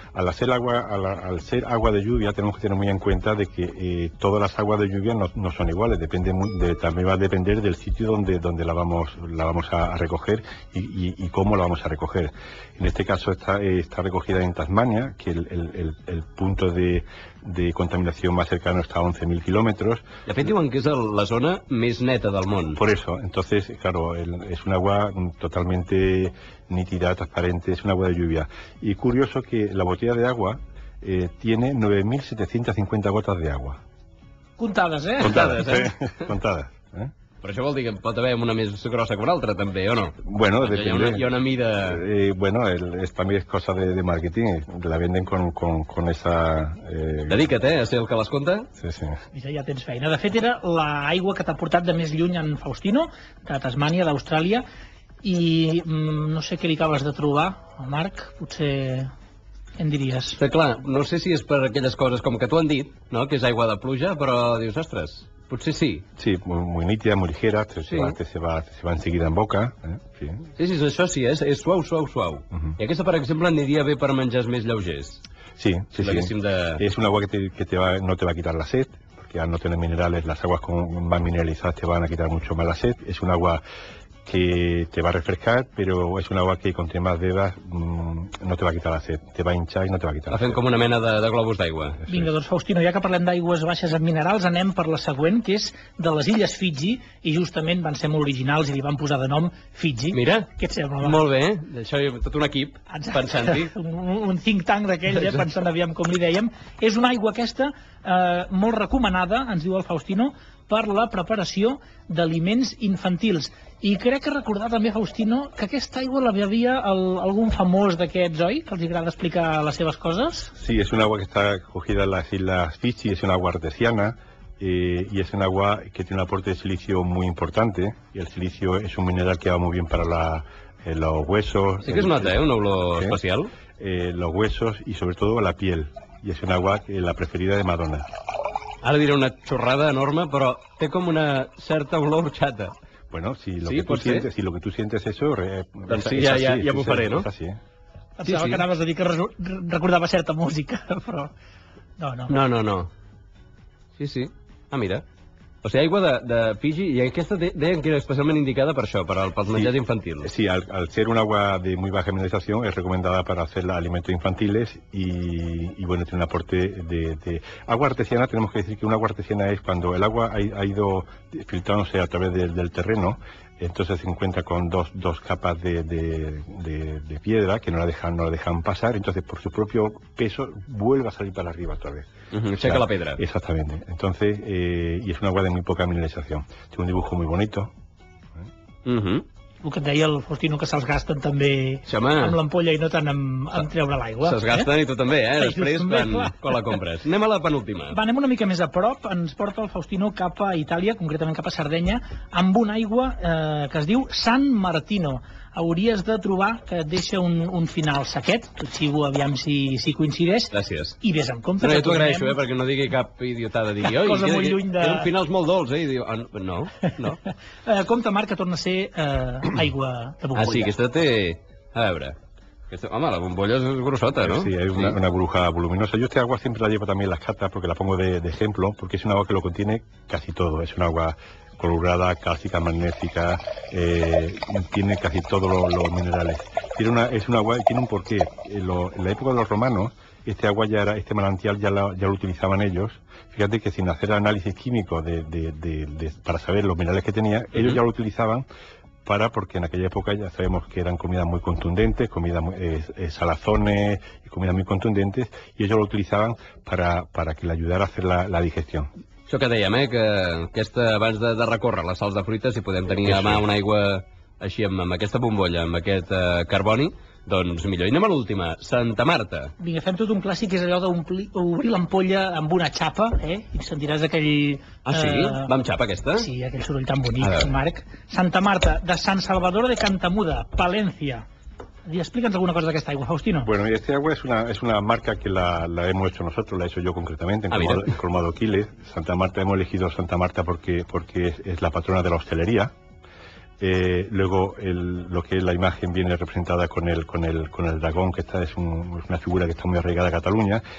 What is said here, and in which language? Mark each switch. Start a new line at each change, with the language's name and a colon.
Spanish: Al ser agua de lluvia, tenemos que tener muy en cuenta de que todas las aguas de lluvia no son iguales, también va a depender del sitio donde la vamos a recoger y cómo la vamos a recoger. En este caso está recogida en Tasmania, que el punto de de contaminación más cercano está a 11.000 kilómetros.
Catalan: De fet, diuen que és la zona més neta del món.
Spanish: Por eso, entonces, claro, es un agua totalmente nítida, transparente, es un agua de lluvia. Y curioso que la botella de agua tiene 9.750 gotas de agua.
Catalan: Contades, eh? Contades, eh? Contades. Però això vol dir que pot haver una més grossa que una altra, també, o no?
Spanish: Bueno, depende.
Catalan: Hi ha una mida... Bueno, també és cosa de marketing.
Spanish: La venden con esa...
Catalan: Dedica't, a ser el que les conta. Sí, sí. I ja tens feina. De fet, era l'aigua que t'ha portat de més lluny en Faustino, de Tasmània, d'Austràlia, i no sé què li acabes de trobar, Marc, potser... Què en diries? Però clar, no sé si és per aquelles coses com que t'ho han dit, no? Que és aigua de pluja, però dius, ostres, potser sí.
Spanish: Sí, muy nítida, muy ligera, se va enseguida en boca.
Catalan: Sí, això sí, és suau, suau, suau. I aquesta, per exemple, aniria bé per menjars més lleugers.
Spanish: Sí, sí, sí. És una agua que no te va a quitar la set, perquè al no tener minerales, las aguas más mineralizadas te van a quitar mucho más la set. És una agua que te va a refrescar, pero es un agua que con que más bebas no te va a quitar la sed, te va a hinchar y no te va a quitar la sed.
Catalan: La fem com una mena de globus d'aigua. Vinga, doncs Faustino, ja que parlem d'aigües baixes en minerals, anem per la següent, que és de les illes Fiji, i justament van ser molt originals i li van posar de nom Fiji. Mira, què et sembla? Molt bé, això hi ha tot un equip pensant-hi. Un think tank d'aquell, pensant aviam com li dèiem. És una aigua aquesta molt recomanada, ens diu el Faustino, per la preparació d'aliments infantils. I crec que recordar també, Faustino, que aquesta aigua la bevia algun famós d'aquests, oi? Que els agrada explicar les seves coses. Sí, és una aigua que està cogida a les Illes Fiji, és una aigua artesiana, i és una aigua que té un aporte de silicio molt important, i el silicio és un mineral que va molt bé per als huesos. Sí que es nota, un olor especial.
Spanish: Los huesos i, sobretot, la piel.
Catalan: I és una aigua la preferida de Madonna. Ara diré una xorrada enorme, però té com una certa olor horchata.
Spanish: Bueno, si lo que tú sientes es eso...
Catalan: Doncs sí, ja m'ho faré, no? Sí, sí. Pensava que anaves a dir que recordava certa música, però... No. Sí, sí. Ah, mira. O sigui, aigua de Fiji, i aquesta deien que era especialment indicada per això, pels menjars infantils. Sí, al ser una aigua de
Spanish: muy baja
Catalan: mineralització, és recomendada per fer alimentos infantils i, bueno, té un aporte de...
Spanish: Agua artesiana, tenemos que decir que una agua artesiana es cuando el agua ha ido filtrándose a través del terreno, entonces se encuentra con dos capas de piedra que no la dejan pasar, entonces por su propio peso vuelve a salir para arriba otra vez. Checa, o sea, la piedra. Exactamente. Entonces, y es una agua de muy poca mineralización. Tiene un dibujo muy bonito.
Catalan: El que et deia el Faustino, que se'ls gasten també amb l'ampolla i no tant amb treure l'aigua. Se'ls gasten i tu també, després quan la compres. Anem a la penúltima. Va, anem una mica més a prop. Ens porta el Faustino cap a Itàlia, concretament cap a Sardenya, amb una aigua que es diu San Martino. Hauries de trobar que et deixa un final sequet, tot xivo, aviam si coincideix. Gràcies. I vés amb compte. No, jo t'ho agraeixo, perquè no digui cap idiotada. Cosa molt lluny de... Té uns finals molt dolç, i diu, no, no. Compte, Marc, que torna a ser aigua de bombolla. Ah, sí, aquesta té... A veure... Home, la bombolla és grossota, no? Sí, és una burbuja voluminosa.
Spanish: Yo esta agua siempre la llevo también en las cartas, porque la pongo de ejemplo, porque es un agua que lo contiene casi todo. Es un agua... colorada, cálcica, magnética, tiene casi todos los minerales. Tiene un porqué. En la época de los romanos, este agua ya era, este manantial ya lo utilizaban ellos. Fíjate que sin hacer análisis químico de para saber los minerales que tenía, ellos ya lo utilizaban porque en aquella época ya sabemos que eran comidas muy contundentes, salazones, comidas muy contundentes, y ellos lo utilizaban para que le ayudara a hacer la digestión.
Catalan: Això que dèiem, que aquesta, abans de recórrer les sals de fruita, si podem tenir a mà una aigua així, amb aquesta bombolla, amb aquest carboni, doncs millor. I anem a l'última, Santa Marta. Vinga, fem tot un clàssic, és allò d'obrir l'ampolla amb una xapa, i sentiràs aquell... Ah, sí? Va amb xapa, aquesta? Sí, aquell soroll tan bonic, Marc. Santa Marta, de Sant Salvador de Cantamuda, Palència.
Spanish: Y explícanos alguna cosa de esta agua, Faustino. Bueno, esta agua es una marca que la hemos hecho nosotros, la he hecho yo concretamente, en Colmado Quiles. Santa Marta, hemos elegido Santa Marta porque es la patrona de la hostelería. Luego, lo que es la imagen viene representada con el dragón, que esta es una figura que está muy arraigada a Cataluña.